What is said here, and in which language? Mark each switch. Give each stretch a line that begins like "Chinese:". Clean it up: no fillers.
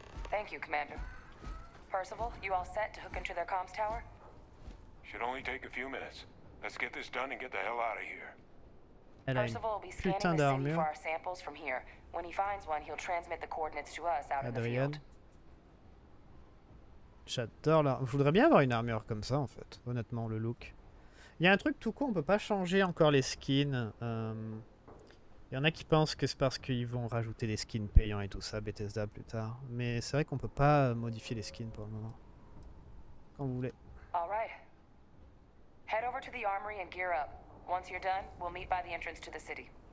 English: Thank you, Commander. Percival, you all set to hook into their comms tower? Should only take a few minutes. Let's get this done and get the hell out of here. Percival will be scanning the city for our samples from here. When he finds one, he'll transmit the coordinates to us out in the field.
French: J'adore l'armure. Je voudrais bien avoir une armure comme ça, en fait. Honnêtement, le look. Il y a un truc tout con, on peut pas changer encore les skins. Il y en a qui pensent que c'est parce qu'ils vont rajouter des skins payants et tout ça, Bethesda, plus tard. Mais c'est vrai qu'on peut pas modifier les skins pour le moment. Quand vous voulez.
English: All right. Head over to the armory and gear up. Once you're done, we'll meet by the entrance to the city.